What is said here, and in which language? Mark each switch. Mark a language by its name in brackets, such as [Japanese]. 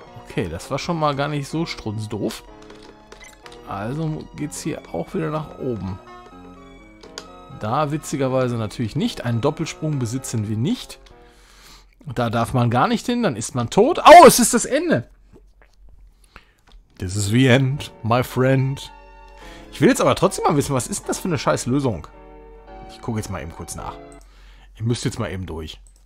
[German] Okay, das war schon mal gar nicht so strunzdoof. Also geht's hier auch wieder nach oben. Da witzigerweise natürlich nicht. Einen Doppelsprung besitzen wir nicht. Da darf man gar nicht hin, dann ist man tot. Oh, es ist das Ende. [English] This is the end, my friend. [German] Ich will jetzt aber trotzdem mal wissen, was ist denn das für eine scheiß Lösung? Ich gucke jetzt mal eben kurz nach. Ich müsste jetzt mal eben durch.